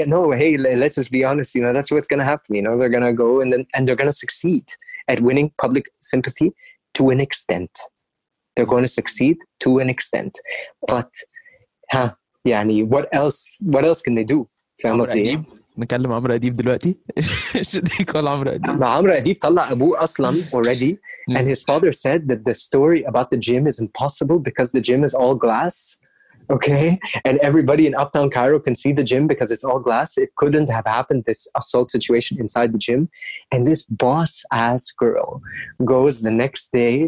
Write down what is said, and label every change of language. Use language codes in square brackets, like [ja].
[en] Let's just be honest, you know, that's what's going to happen, you know, they're going to go, and they're going to succeed at winning public sympathy to an extent. They're going to succeed to an extent. But, what else can they do? [ar] نتكلم عمرو أديب دلوقتي. [en] Should they call عمرو أديب? [ar] عمرو أديب طلع أبوه أصلاً [en] already. And his father said that the story about the gym is impossible because the gym is all glass. Okay? And everybody in Uptown Cairo can see the gym because it's all glass. It couldn't have happened, this assault situation inside the gym. And this boss-ass girl goes the next day.